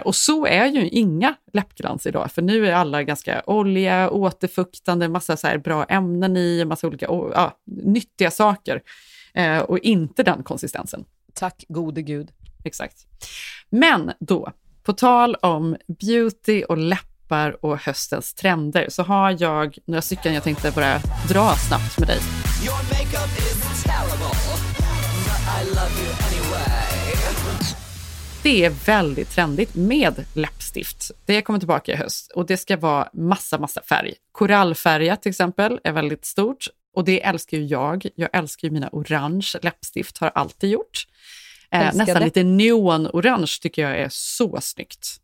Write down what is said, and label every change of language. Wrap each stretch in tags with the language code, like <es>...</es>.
<sv>Och så är ju inga läppglans idag, för nu är alla ganska olja, återfuktande, massa så här bra ämnen i, massa olika nyttiga saker. Och inte den konsistensen. Tack gode gud. Exakt. Men då, på tal om beauty och läppar och höstens trender, så har jag några stycken jag tänkte bara dra snabbt med dig.</sv> <en>Your makeup is terrible, but I love you anyway.</en> <sv>Det är väldigt trendigt med läppstift. Det kommer tillbaka i höst och det ska vara massa färg. Korallfärgat till exempel är väldigt stort. Och det älskar ju jag. Jag älskar ju mina orange läppstift, har alltid gjort. Nästan lite neon orange tycker jag är så snyggt.</sv>